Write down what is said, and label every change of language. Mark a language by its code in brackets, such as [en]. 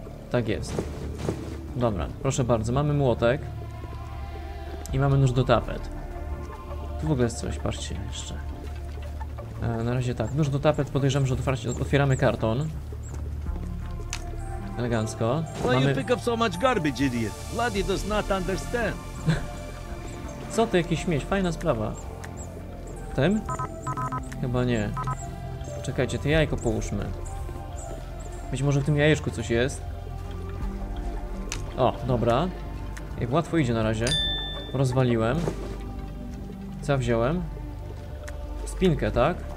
[pl] Tak jest. Dobra, proszę bardzo, mamy młotek. I mamy nóż do tapet. Tu w ogóle jest coś, patrzcie jeszcze. Na razie tak, nóż do tapet, podejrzewam, że otwieramy karton. Elegancko. Mamy... [en] Why you pick up so much garbage, idiot? Vladi does not understand. [pl] Co ty, jakiś śmieć, fajna sprawa. Tym? Chyba nie. Czekajcie, to jajko połóżmy. Być może w tym jajeczku coś jest. O, dobra. Jak łatwo idzie na razie. Rozwaliłem. Co ja wziąłem? Spinkę, tak?